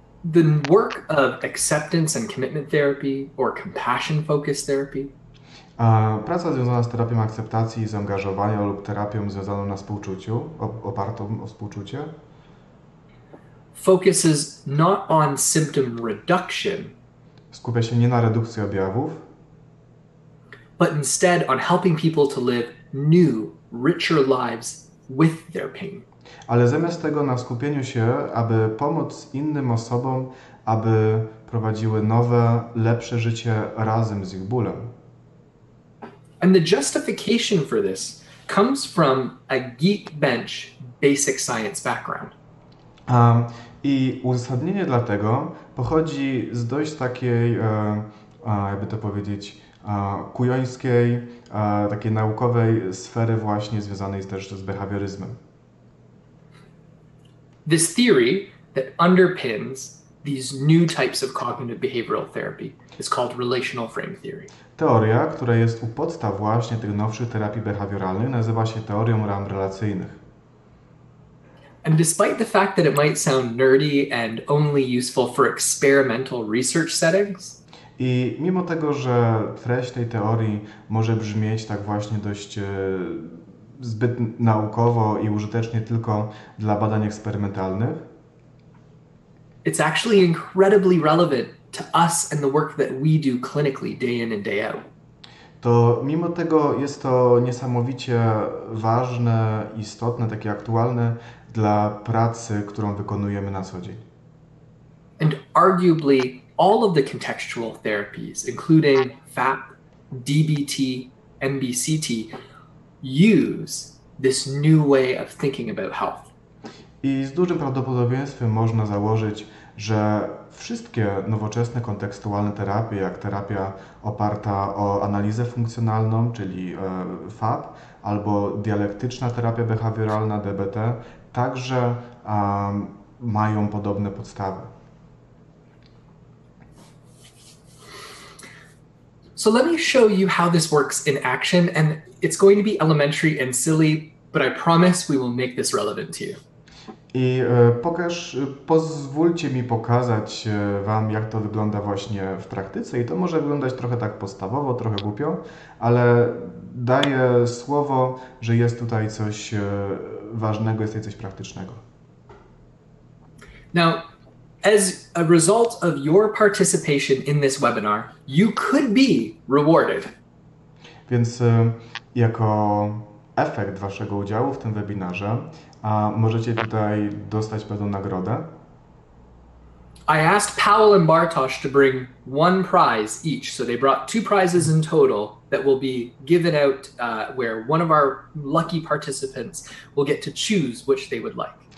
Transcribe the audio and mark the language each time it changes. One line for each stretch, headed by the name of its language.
English: The work of acceptance and commitment therapy or compassion-focused therapy.
Polish: Praca związana z terapią akceptacji i zaangażowania lub terapią związaną na współczuciu, opartą o współczucie.
English: Focuses not on symptom reduction.
Polish: Skupia się nie na redukcji objawów,
English: but instead on helping people to live new, richer lives with their pain.
Polish: Ale zamiast tego na skupieniu się, aby pomóc innym osobom, aby prowadziły nowe, lepsze życie razem z ich bólem.
English: And the justification for this comes from a geekbench basic science background.
Polish: I uzasadnienie dla tego pochodzi z dość takiej, jakby to powiedzieć, kujońskiej, takiej naukowej sfery właśnie związanej też z behawioryzmem.
English: This theory that underpins these new types of cognitive behavioral therapy is called relational frame theory.
Polish: Teoria, która jest u podstaw właśnie tych nowszych terapii behawioralnych, nazywa się teorią ram relacyjnych.
English: And despite the fact that it might sound nerdy and only useful for experimental research settings,
Polish: i mimo tego, że treść tej teorii może brzmieć tak właśnie dość zbyt naukowo i użytecznie tylko dla badań eksperymentalnych,
English: it's actually incredibly relevant to us and the work that we do clinically day in and day out.
Polish: To mimo tego jest to niesamowicie ważne, istotne, takie aktualne dla pracy, którą wykonujemy na co dzień.
English: And arguably all of the contextual therapies, including FAP, DBT, MBCT, use this new way of thinking about health.
Polish: I z dużym prawdopodobieństwem można założyć, że wszystkie nowoczesne kontekstualne terapie, jak terapia oparta o analizę funkcjonalną, czyli FAP, albo dialektyczna terapia behawioralna, DBT, także mają podobne podstawy.
English: So let me show you how this works in action, and it's going to be elementary and silly, but I promise we will make this relevant to you.
Polish: I pozwólcie mi pokazać wam, jak to wygląda właśnie w praktyce. I to może wyglądać trochę tak podstawowo, trochę głupio, ale daję słowo, że jest tutaj coś ważnego, jest tutaj coś praktycznego.
English: Now, as a result of your participation in this webinar, you could be rewarded.
Polish: Więc jako efekt waszego udziału w tym webinarze, możecie tutaj dostać pewną nagrodę.
English: I asked Paul and Bartosz to bring one prize each, so they brought two prizes in total that will be given out where one of our lucky participants will get to choose which they would like.